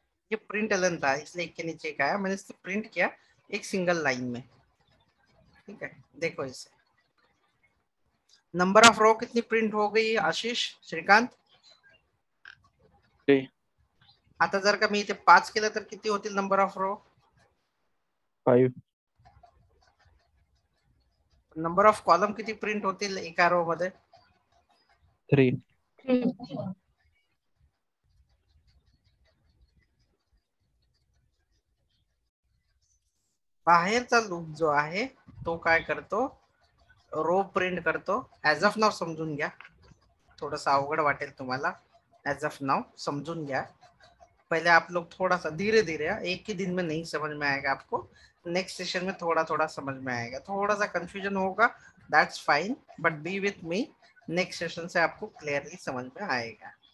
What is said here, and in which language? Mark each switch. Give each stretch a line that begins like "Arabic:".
Hindi: ये print Elon था इसलिए के नीचे का आया, मैंने इसे प्रिंट किया एक सिंगल लाइन में। ठीक है, देखो इसे नंबर ऑफ रो कितनी प्रिंट हो गई। आशीष श्रीकांत
English: five
Marathi: आता जर का मी ते 5 केला तर किती होतील number of row? Number of column किती प्रिंट होतील एका रो मध्ये?
English: three
Marathi: बाहेरचा लूप जो आहे तो काय करतो, रो प्रिंट करतो। एज ऑफ नाउ समजून घ्या, थोडंसं अवघड वाटेल तुम्हाला, एज ऑफ नाउ समजून घ्या।
Hindi: पहले आप लोग थोड़ा सा धीरे धीरे, एक ही दिन में नहीं समझ में आएगा आपको, नेक्स्ट सेशन में थोड़ा थोड़ा समझ में आएगा। थोड़ा सा कंफ्यूजन होगा, that's fine, but B with मी, next session से आपको क्लियरली समझ में आएगा।